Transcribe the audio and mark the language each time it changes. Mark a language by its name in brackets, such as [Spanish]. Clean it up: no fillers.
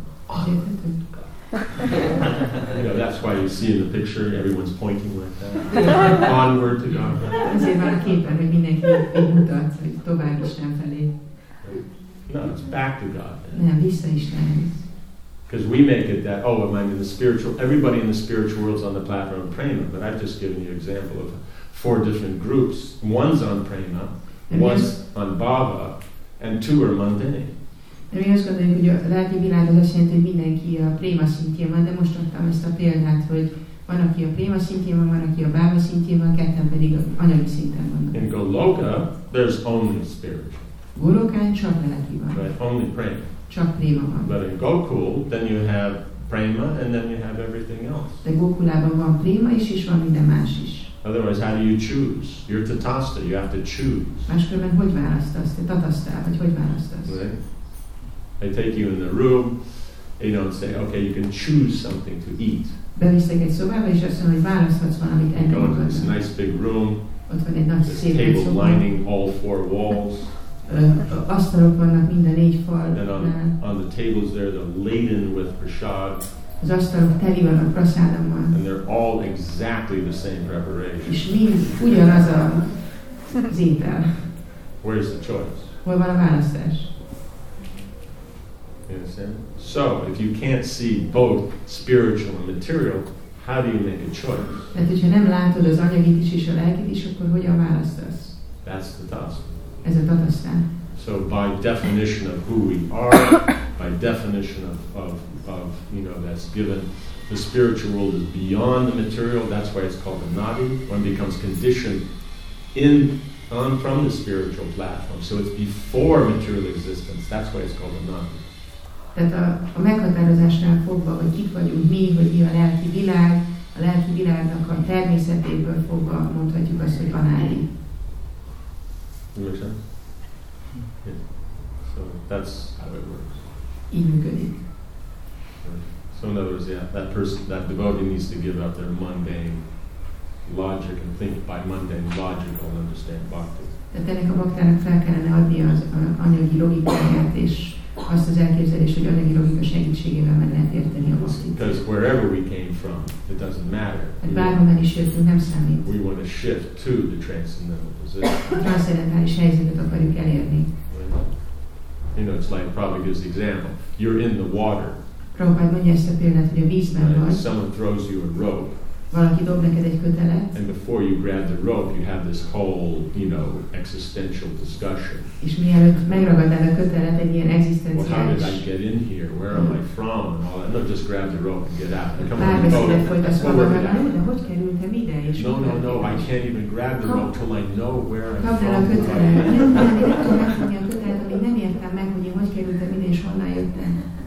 [English] That's why you see in the picture, everyone's pointing like that. Onward to Godhead. [Hungarian] Azért van a képen, hogy mindenki mutat, hogy tovább Isten felé. [English] No, it's back to Godhead. [Hungarian] Nem, vissza Istenhez. [English] Because we make it that, oh, am I in the spiritual, everybody in the spiritual world is on the platform of prema, but I've just given you an example of four different groups. One's on prema, one's on bhava, and two are mundane. [Hungarian] De mi azt gondoljuk, hogy a lelki világ az azt jelenti, hogy mindenki a prema szintjén van, de most adtam ezt a példát, hogy van, aki a prema szintjén van, van, aki a bhava szintjén van, ketten pedig a anyagi szinten vannak. [English] In Goloka, there's only spiritual. [Hungarian] Golokán csak lelki van. [English] Right, only prema. [Hungarian] Csak prema van. [English] But in Gokul, then you have prema, and then you have everything else. [Hungarian] De Gokulában van prema is, és van minden más is. [English] Otherwise, how do you choose? You're tatasta, you have to choose. [Hungarian] Máskülönben hogy választasz? Te tatasztál, vagy hogy választasz? [English] Right? They take you in the room, you don't say, okay, you can choose something to eat. [Hungarian] Bevisztek egy szobába, és azt mondom, hogy választhatsz valamit enni. [English] You go into this nice big room. [Hungarian] Ott van egy nagy szép szoba. [English] Table lining all four walls. [Hungarian] Asztalok vannak mind a négy falnál. [English] And on the tables there, they're laden with prasad. [Hungarian] Az asztalok teli van a prasádommal. [English] And they're all exactly the same preparation. [Hungarian] És mind ugyanaz az étel. [English] Where's the choice? [Hungarian] Hol van a választás? [English] Understand? So, if you can't see both spiritual and material, how do you make a choice? [Hungarian] Tehát, hogyha nem látod az anyagit is és a lelkit is, akkor hogyan választasz? [English] That's the task. [Hungarian] Ez a tatasztán. [English] So, by definition of who we are, by definition of you know, that's given, the spiritual world is beyond the material. That's why it's called the nadi. One becomes conditioned in on from the spiritual platform. So it's before material existence. That's why it's called the nadi. [Hungarian] Tehát a meghatározásnál fogva, hogy kik vagyunk mi, hogy mi a lelki világnak a természetéből fogva mondhatjuk azt, hogy análi. [English] Yeah. So that's how it works. [Hungarian] Így működik. [English] So in other words, yeah, that person, that devotee needs to give up their mundane logic and think by mundane logic and understand bhakti. [Hungarian] Tehát ennek a bhaktának fel kellene adni az anyagi logikáját és azt az elképzelés, hogy anyagi logika segítségével meg lehet érteni a bhaktit. [English] Because wherever we came from, it doesn't matter. [Hungarian] Hát bárhonnan is jöttünk, nem számít. [English] We want to shift to the transcendental position. [Hungarian] Transzendentális helyzetet akarjuk elérni. [English] You know, it's like probably gives the example. You're in the water. [Hungarian] Prabhupád mondja ezt a példát, hogy a vízben vagy. [English] And someone throws you a rope. [Hungarian] Valaki dob neked egy kötelet. [English] And before you grab the rope, you have this whole, you know, existential discussion. [Hungarian] És mielőtt megragadnád a kötelet, egy ilyen egzisztenciális. [English] Well, how did I get in here? Where am I from? And all that. No, just grab the rope and get out. And come on, go. No, I can't even grab the rope till I know where I'm from. [Hungarian] Kapd el a kötelet. Nem tudom, hogy a kötelet, amíg nem értem meg, hogy én hogy kerültem ide, és honnan jöttem.